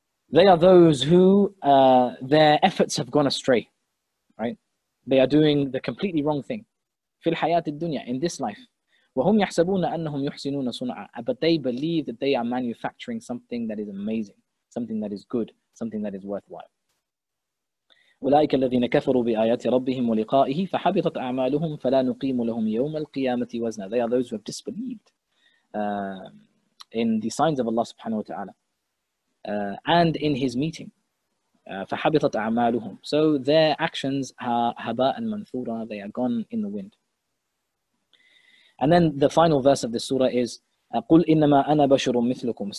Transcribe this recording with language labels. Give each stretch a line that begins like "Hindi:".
English: They are those who their efforts have gone astray, right? They are doing the completely wrong thing.
Arabic: فِي الْحَيَاةِ الدُّنْيَا,
English: in this life.
Arabic: وَهُمْ يَحْسَبُونَ أَنَّهُمْ يُحْسِنُونَ صُنْعًا.
English: But they believe that they are manufacturing something that is amazing, something that is good, something that is worthwhile.
Arabic: أولئك الذين كفروا بآيات ربهم ولقائه فحبطت أعمالهم فلا نقيم لهم يوم القيامة وزنا.
English: They are those who have disbelieved in the signs of Allah subhanahu wa ta'ala and in His meeting.
Arabic: فحبطت أعمالهم.
English: So their actions are
Arabic: هباء منثورا.
English: They are gone in the wind. And then the final verse of the surah is
Arabic: قل إنما أنا بشر مثلكم.